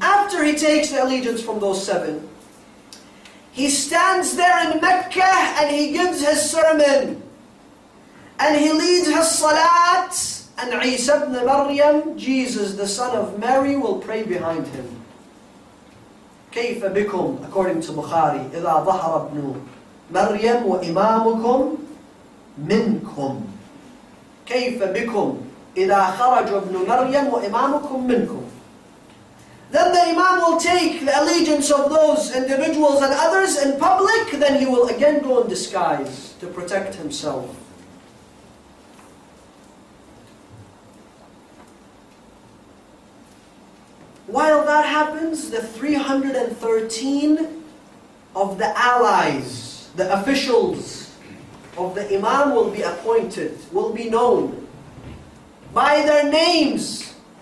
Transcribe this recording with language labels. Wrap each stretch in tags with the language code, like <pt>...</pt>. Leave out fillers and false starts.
<en>After he takes the allegiance from those seven, he stands there in Mecca and he gives his sermon. And he leads his salat, and Isa ibn Maryam, Jesus, the son of Mary, will pray behind him.</en> <ar>كيف بكم,</ar> <en>according to Bukhari,</en> <ar>إذا ظهر ابن مريم وإمامكم منكم. كيف بكم, إذا خرج ابن مريم وإمامكم منكم.</ar> <en>Then the Imam will take the allegiance of those individuals and others in public, then he will again go in disguise to protect himself. While that happens, the 313 of the allies, the officials of the Imam will be appointed, will be known by their names.</en>